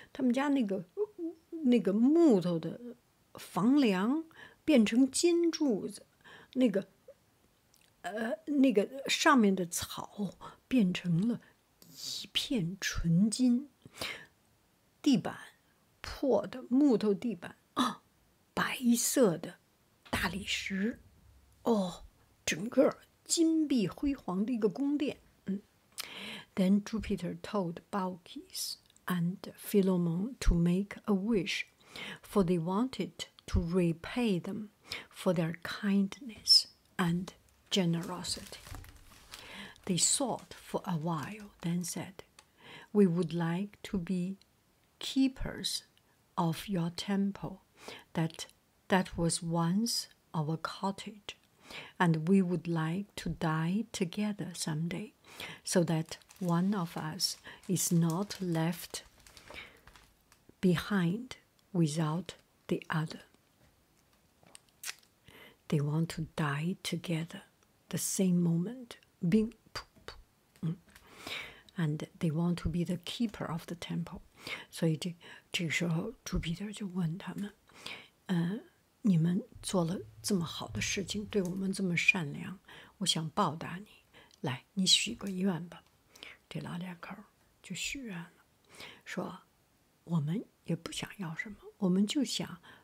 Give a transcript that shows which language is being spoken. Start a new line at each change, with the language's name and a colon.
Chinese: 他们家那个木头的房梁变成金柱子，那个上面的草变成了。一片纯金，地板破的木头地板啊，白色的大理石，哦，整个金碧辉煌的一个宫殿。
English: Then Jupiter told Balkis and Philomen to make a wish. for they wanted to repay them for their kindness and generosity. They sought for a while, then said, "We would like to be keepers of your temple that was once our cottage, and we would like to die together someday so that one of us is not left behind without the other." They want to die together the same moment. Bing, poof, poof. And they want to be the keeper of the temple.
Chinese: So这时候朱彼得就问他们，来，你许个愿吧，这老两口就许愿了，说我们也不想要什么，我们就想